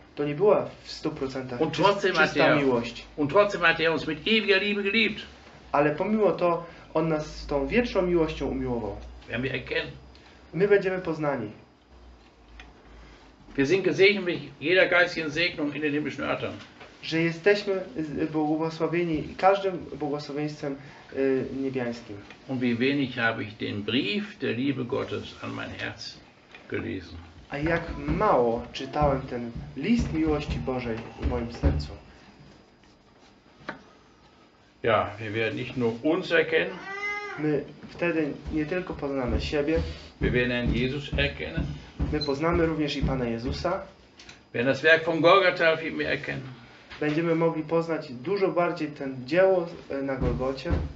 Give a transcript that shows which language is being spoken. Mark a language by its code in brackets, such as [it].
[pl] To nie była w 100% czysta miłość. [de] Und trotzdem hat er uns mit ewiger Liebe geliebt. [pl] Ale pomimo to on nas z tą wieczną miłością umiłował. [de] Werden wir erkennen. [pl] My będziemy poznani. [de] Wir sind gesegnet mit jeder geistigen Segnung in den himmlischen Örtern. [pl] Że jesteśmy błogosławieni każdym błogosławieństwem niebiańskim. [de] Und wie wenig habe ich den Brief der Liebe Gottes an mein Herz gelesen. [pl] A jak mało czytałem ten list miłości Bożej w moim sercu. [de] Ja, wir werden nicht nur uns erkennen. [pl] My wtedy nie tylko poznamy siebie. [de] Wir werden Jesus erkennen. [pl] My poznamy również i Pana Jezusa. [de] Wir werden das Werk von Golgatha viel mehr erkennen. [pl] Będziemy mogli poznać dużo bardziej ten dzieło na Golgocie.